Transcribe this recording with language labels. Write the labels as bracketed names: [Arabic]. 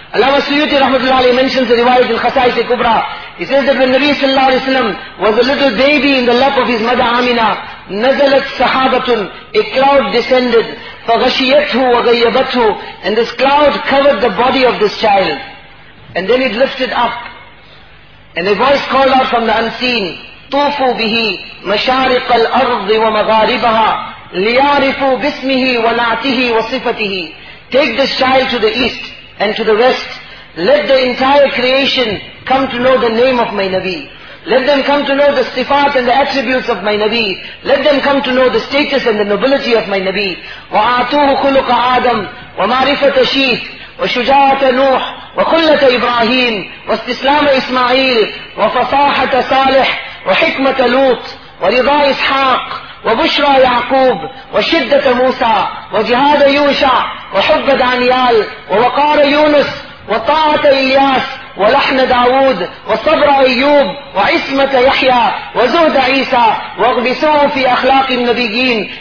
[English] Allah Suyuti rahmatullahi alayhi mentions the riwayat al-Khasais al-Kubra. He says that when Nabi sallallahu alayhi wa sallam was a little baby in the lap of his mother Amina, [Arabic] nazalat sahabatun, [English] a cloud descended, [Arabic] فَغَشِيَتْهُ وَغَيَّبَتْهُ, [English] and this cloud covered the body of this child. And then it lifted up. And a voice called out from the unseen, [Arabic] طُوفُوا بِهِ مَشَارِقَ الْأَرْضِ وَمَغَارِبَهَا لِيَارِفُوا بِسْمِهِ وَنَعْتِهِ وَصِفَتِهِ. [English] Take this child to the east and to the west. Let the entire creation come to know the name of my Nabi. Let them come to know the sifat and the attributes of my Nabi. Let them come to know the status and the nobility of my Nabi. [Arabic] وَآتُوهُ خُلُقَ آدَمْ وَمَعْرِفَةَ شِيْثِ وَشُجَاعَةَ نُوحِ وَخُلَّةَ إِبْرَاهِيمِ وَاسْتِسْلَامَ إِسْمَعِيلِ وَفَصَاحَةَ صَالِحِ وَحِكْمَةَ لُوطِ وَرِضَى إِسْحَاقِ وَبُشْرَى يَعْقُوبِ وَشِدَّةَ مُوسَى وَجِهَادَ يُوشَعَ وَحُبَّ دَانِيَالِ وَوَقَارَ يُونُسِ وَطَاعَةَ إِلْيَاسِ ولحن داود وصبر أيوب وعصمة يحيى وزهد عيسى واغبسوه في أخلاق النبيين.